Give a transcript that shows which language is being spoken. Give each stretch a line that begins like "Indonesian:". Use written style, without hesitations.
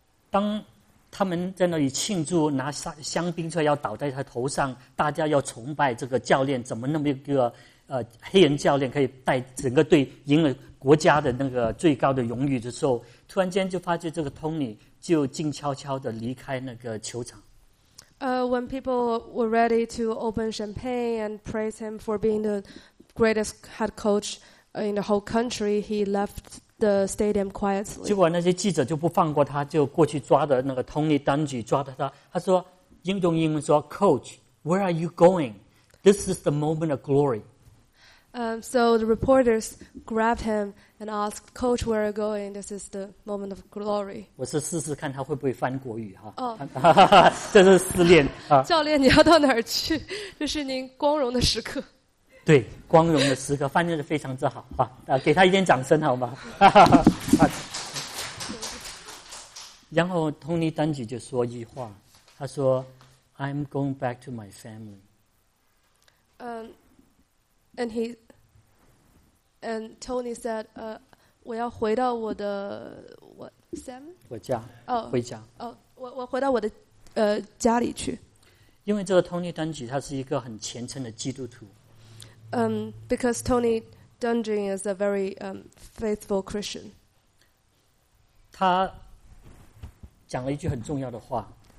Chinese: 当他们在那里庆祝，拿香槟出来要倒在他头上，大家要崇拜这个教练，怎么那么一个？黑人教练可以带整个队赢了国家的那个最高的荣誉的时候，突然间就发觉这个 Tony 就静悄悄地离开那个球场。
English: When people were ready to open champagne and praise him for being the greatest head coach in the whole country, he left the stadium quietly.
Chinese: 结果那些记者就不放过他，就过去抓着那个 Tony Dungy 抓着他，他说用英文说 ：
English: “Coach, where are you going? This is the moment of glory.” So the reporters grabbed him and asked, "Coach, where are you going? This is the moment of glory."
Chinese: 我是试试看他会不会翻国语哈。哦，这是试炼啊。教练，你要到哪儿去？这是您光荣的时刻。对，光荣的时刻，翻译的非常之好啊！给他一点掌声好吗？然后 Tony Dungy 就说一句话，他说
English: "I'm going back to my family." And Tony said,
Chinese: 我要回到我的我家。回家。我回到我的家里去。因为这个 Tony Dungy 他是一个很虔诚的基督徒。
English: Because Tony Dungy is a very faithful Christian.
Chinese: 他讲了一句很重要的话。